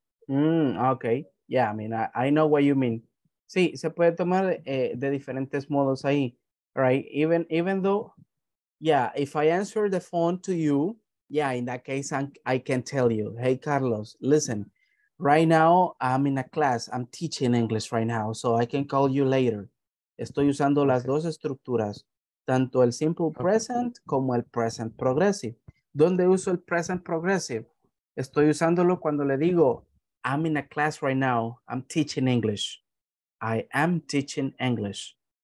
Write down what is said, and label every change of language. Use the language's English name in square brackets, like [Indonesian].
[English] Okay, yeah, I mean, I know what you mean. [Spanish] Sí, se puede tomar de diferentes modos ahí, right? [English] Even though, yeah, if I answer the phone to you, yeah, in that case, I can tell you, hey, Carlos, listen, right now I'm in a class. I'm teaching English right now, so I can call you later. [Spanish] Estoy usando las dos estructuras, tanto el simple present como el present progressive. ¿Dónde uso el present progressive? Estoy usándolo cuando le digo, [English] I'm in a class right now. I'm teaching English. I am teaching English.